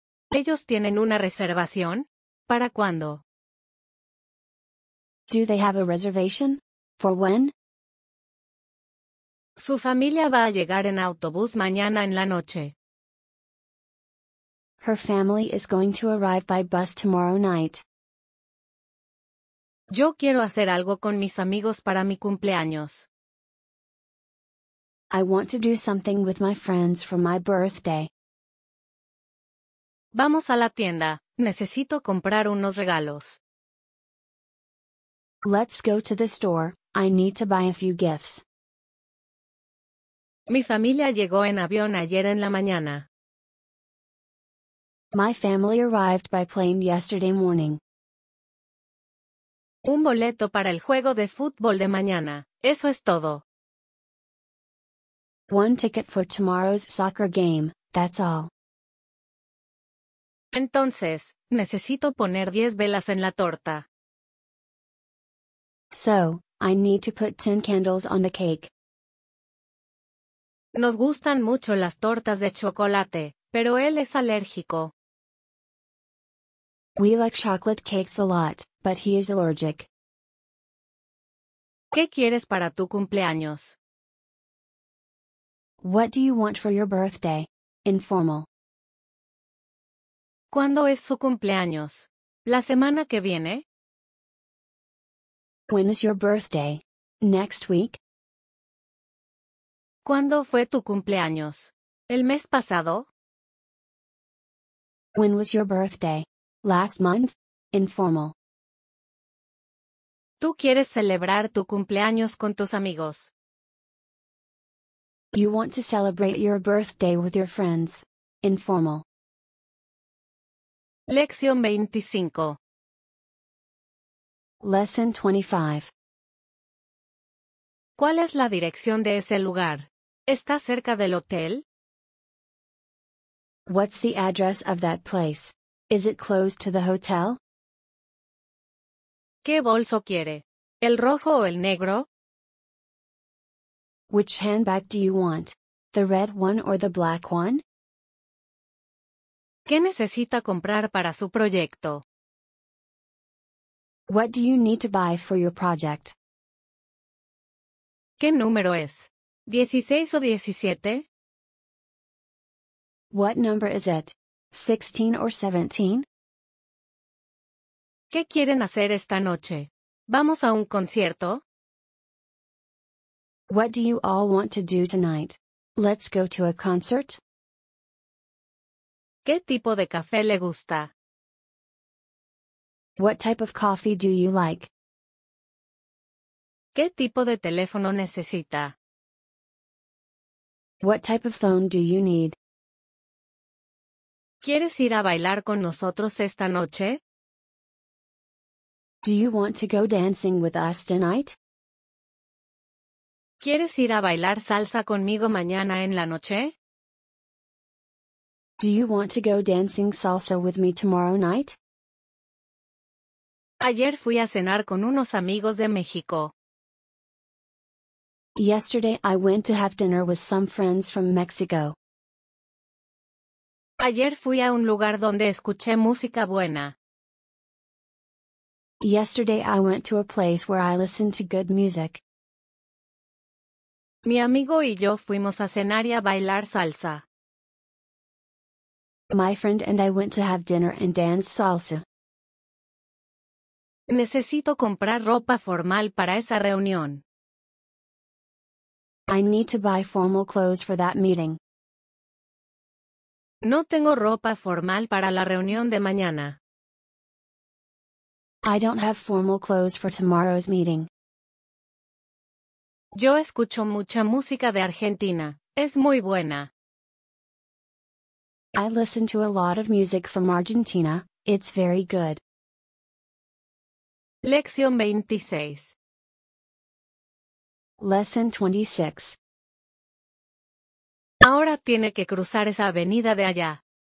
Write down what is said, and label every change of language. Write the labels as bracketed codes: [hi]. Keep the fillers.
[es] ¿Ellos tienen una reservación? ¿Para cuándo? [en] Do they have a reservation? For when? [es] Su familia va a llegar en autobús mañana en la noche. [en] Her family is going to arrive by bus tomorrow night. [es] Yo quiero hacer algo con mis amigos para mi cumpleaños. [en] I want to do something with my friends for my birthday. [es] Vamos a la tienda. Necesito comprar unos regalos. [en] Let's go to the store. I need to buy a few gifts. [es] Mi familia llegó en avión ayer en la mañana. [en] My family arrived by plane yesterday morning. [es] Un boleto para el juego de fútbol de mañana. Eso es todo. [en] One ticket for tomorrow's soccer game. That's all. [es] Entonces, necesito poner 10 velas en la torta. [en] So, I need to put tin candles on the cake. [es] Nos gustan mucho las tortas de chocolate, pero él es alérgico. [en] We like chocolate cakes a lot, but he is allergic. [es] ¿Qué quieres para tu cumpleaños? [en] What do you want for your birthday? Informal. [es] ¿Cuándo es su cumpleaños? ¿La semana que viene? [en] When is your birthday? Next week? [es] ¿Cuándo fue tu cumpleaños? ¿El mes pasado? [en] When was your birthday? Last month? Informal. [es] ¿Tú quieres celebrar tu cumpleaños con tus amigos? [en] You want to celebrate your birthday with your friends. Informal. [es] Lección 25. [en] Lesson 25 [es] ¿Cuál es la dirección de ese lugar? ¿Está cerca del hotel? [en] What's the address of that place? Is it close to the hotel? [es] ¿Qué bolso quiere? ¿El rojo o el negro? [en] Which handbag do you want? The red one or the black one? [es] ¿Qué necesita comprar para su proyecto? [en] What do you need to buy for your project? [es] ¿Qué número es? ¿16 o 17? [en] What number is it? ¿16 or 17? [es] ¿Qué quieren hacer esta noche? ¿Vamos a un concierto? [en] What do you all want to do tonight? Let's go to a concert. [es] ¿Qué tipo de café le gusta? [en] What type of coffee do you like? [es] ¿Qué tipo de teléfono necesita? [en] What type of phone do you need? [es] ¿Quieres bailar con nosotros esta noche? [en] Do you want to go dancing with us tonight? [es] ¿Quieres ir a bailar salsa conmigo mañana en la noche? [en] Do you want to go dancing salsa with me tomorrow night? [es] Ayer fui a cenar con unos amigos de México. [en] Yesterday I went to have dinner with some friends from Mexico. [es] Ayer fui a un lugar donde escuché música buena. [en] Yesterday I went to a place where I listened to good music. [es] Mi amigo y yo fuimos a cenar y a bailar salsa. [en] My friend and I went to have dinner and dance salsa. [es] Necesito comprar ropa formal para esa reunión. [en] I need to buy formal clothes for that meeting. [es] No tengo ropa formal para la reunión de mañana. [en] I don't have formal clothes for tomorrow's meeting. [es] Yo escucho mucha música de Argentina. Es muy buena. [en] I listen to a lot of music from Argentina. It's very good. [es] Lección 26 [en] Lesson 26 [es] Ahora tiene que cruzar esa avenida de allá.